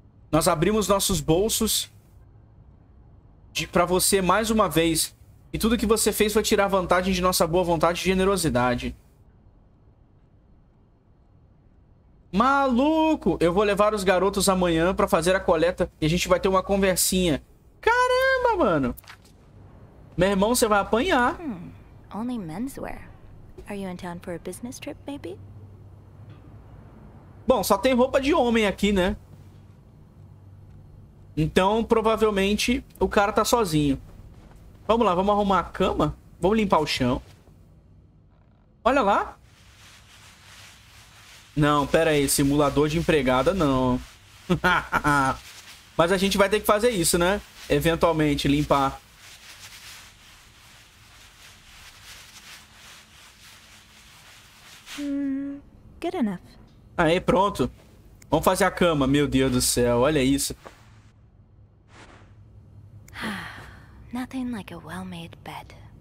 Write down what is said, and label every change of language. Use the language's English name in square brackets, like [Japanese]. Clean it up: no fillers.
[Portuguese] Nós abrimos nossos bolsos pra você mais uma vez, e tudo que você fez foi tirar vantagem de nossa boa vontade e generosidade. Maluco! Eu vou levar os garotos amanhã pra fazer a coleta e a gente vai ter uma conversinha. Caramba, mano! Meu irmão, você vai apanhar. [English] Only menswear. Are you in town for a business trip, maybe? [Portuguese] Bom, só tem roupa de homem aqui, né? Então, provavelmente, o cara tá sozinho. Vamos lá, vamos arrumar a cama. Vamos limpar o chão. Olha lá. Não, pera aí. Simulador de empregada, não. Mas a gente vai ter que fazer isso, né? Eventualmente, limpar. [English] Good enough. [Portuguese] Aí, pronto. Vamos fazer a cama, meu Deus do céu. Olha isso. [English] Nothing like a well-made bed.